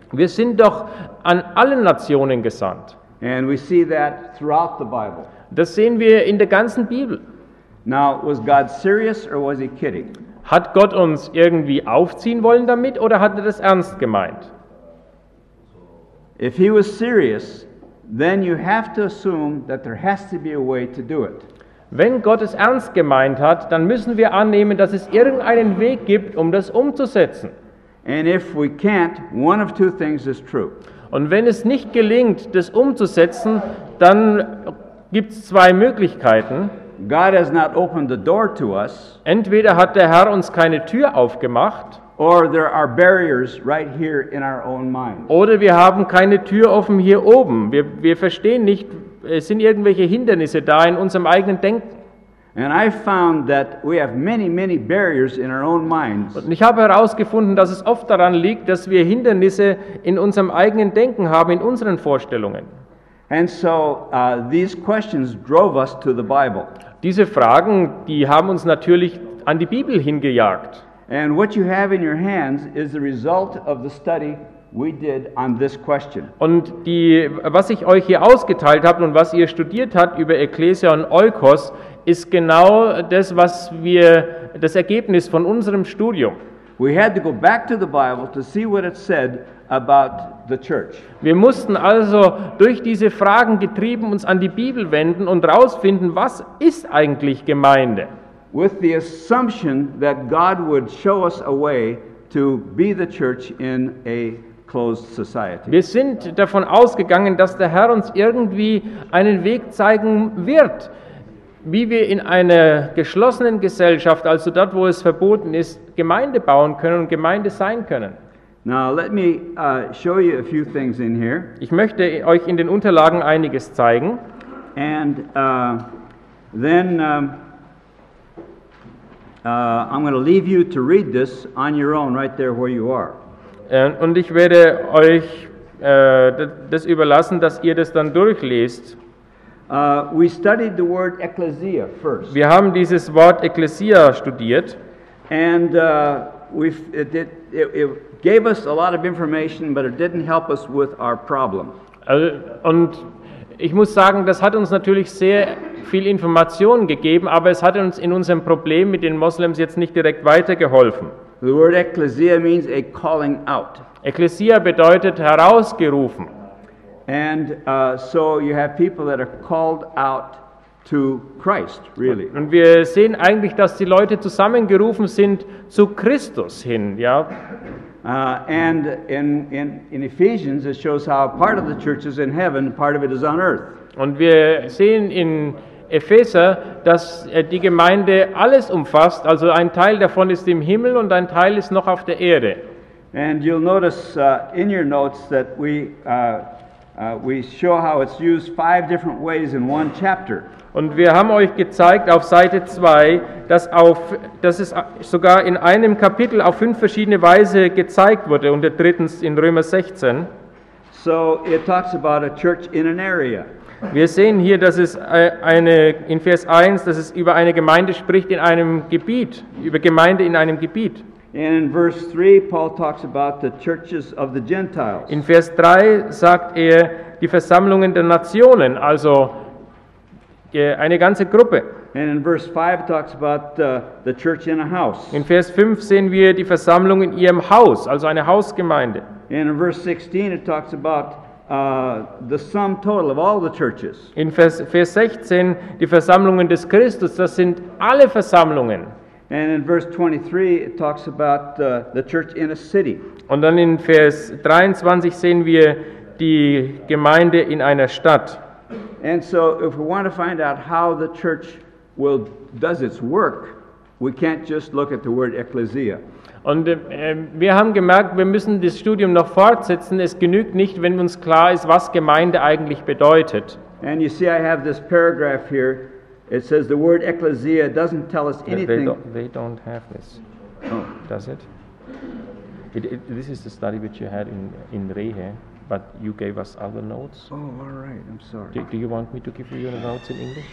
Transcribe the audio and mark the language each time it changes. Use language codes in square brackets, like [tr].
[de] Wir sind doch an alle Nationen gesandt. [en] And we see that throughout the Bible. [de] Das sehen wir in der ganzen Bibel. [en] Now, was God serious or was he kidding? [de] Hat Gott uns irgendwie aufziehen wollen damit oder hat er das ernst gemeint? [en] If he was serious, then you have to assume that there has to be a way to do it. [de] Wenn Gott es ernst gemeint hat, dann müssen wir annehmen, dass es irgendeinen Weg gibt, um das umzusetzen. [en] And if we can't, one of two things is true. [de] Und wenn es nicht gelingt, das umzusetzen, dann gibt's zwei Möglichkeiten. [en] God has not opened the door to us. [de] Entweder hat der Herr uns keine Tür aufgemacht. [en] Or there are barriers right here in our own minds. [de] Oder wir haben keine Tür offen hier oben. Wir verstehen nicht, es sind irgendwelche Hindernisse da in unserem eigenen Denken. [en] And I found that we have many, many barriers in our own minds. [de] Und ich habe herausgefunden, dass es oft daran liegt, dass wir Hindernisse in unserem eigenen Denken haben, in unseren Vorstellungen. [en] And so these questions drove us to the Bible. [de] Diese Fragen, die haben uns natürlich an die Bibel hingejagt. [en] And what you have in your hands is the result of the study we did on this question. [de] Und die, was ich euch hier ausgeteilt habe und was ihr studiert habt über Ekklesia und Oikos, ist genau das, was wir, das Ergebnis von unserem Studium. [en] We had to go back to the Bible to see what it said about the church. [de] Wir mussten also durch diese Fragen getrieben uns an die Bibel wenden und rausfinden, was ist eigentlich Gemeinde? [en] With the assumption that God would show us a way to be the church in a closed society. [de] Wir sind davon ausgegangen, dass der Herr uns irgendwie einen Weg zeigen wird, wie wir in einer geschlossenen Gesellschaft, also dort, wo es verboten ist, Gemeinde bauen können und Gemeinde sein können. [en] Now let me show you a few things in here. [de] Ich möchte euch in den Unterlagen einiges zeigen. [en] And then I'm going to leave you to read this on your own right there where you are. [de] Und ich werde euch das überlassen, dass ihr das dann durchlest. [en] We studied the word ecclesia first. [de] Wir haben dieses Wort Ekklesia studiert. [en] And it gave us a lot of information, but it didn't help us with our problem. [de] Und ich muss sagen, das hat uns natürlich sehr viel Information gegeben, aber es hat uns in unserem Problem mit den Moslems jetzt nicht direkt weitergeholfen. [en] The word ecclesia means a calling out. [de] Ekklesia bedeutet herausgerufen. [en] And so you have people that are called out to Christ, really. [de] Und wir sehen eigentlich, dass die Leute zusammengerufen sind zu Christus hin, ja. [en] And in Ephesians it shows how part of the church is in heaven, part of it is on earth. [de] Und wir sehen in Epheser, dass die Gemeinde alles umfasst, also ein Teil davon ist im Himmel und ein Teil ist noch auf der Erde. [en] And you'll notice in your notes that we We show how it's used five different ways in one chapter. [de] Und wir haben euch gezeigt auf Seite 2, dass es sogar in einem Kapitel auf 5 verschiedene Weise gezeigt wurde, und drittens in Römer 16. [en] So it talks about a church in an area. [de] Wir sehen hier, dass es eine in Vers 1, dass es über eine Gemeinde spricht in einem Gebiet, über Gemeinde in einem Gebiet. [en] In verse 3 Paul talks about the churches of the Gentiles. [de] In Vers 3 sagt er die Versammlungen der Nationen, also eine ganze Gruppe. [en] And in verse 5 talks about the church in a house. [de] In Vers 5 sehen wir die Versammlung in ihrem Haus, also eine Hausgemeinde. [en] And in verse 16 it talks about the sum total of all the churches. [de] In Vers 16 die Versammlungen des Christus, das sind alle Versammlungen. [en] And in verse 23 it talks about the church in a city. [de] Und dann in Vers 23 sehen wir die Gemeinde in einer Stadt. [en] And so if we want to find out how the church will does its work, we can't just look at the word ecclesia. [de] Und wir haben gemerkt, wir müssen das Studium noch fortsetzen. Es genügt nicht, wenn uns klar ist, was Gemeinde eigentlich bedeutet. [en] And you see I have this paragraph here. It says the word ecclesia doesn't tell us anything. They don't have this. Oh. Does it? This is the study which you had in Rehe, but you gave us other notes. Oh, all right. I'm sorry. Do you want me to give you the notes in English?